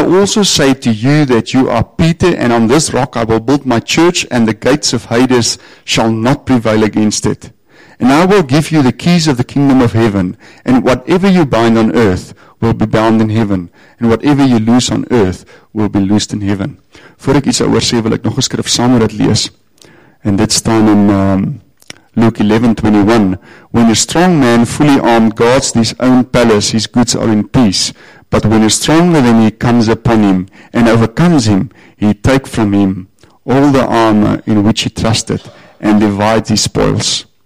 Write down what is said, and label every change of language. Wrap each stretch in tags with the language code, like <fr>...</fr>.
<en>And I also say to you that you are Peter and on this rock I will build my church and the gates of Hades shall not prevail against it. And I will give you the keys of the kingdom of heaven, and whatever you bind on earth will be bound in heaven, and whatever you loose on earth will be loosed in heaven.</en> <af>Voor ek iets oor sê, wil ek nog 'n skrif saam met dit lees. En dit staan in</af> <en>Luke 11:21, when a strong man fully armed guards his own palace, his goods are in peace, but when a stronger than he comes upon him and overcomes him, he take from him all the armor in which he trusted and divides his spoils.</en>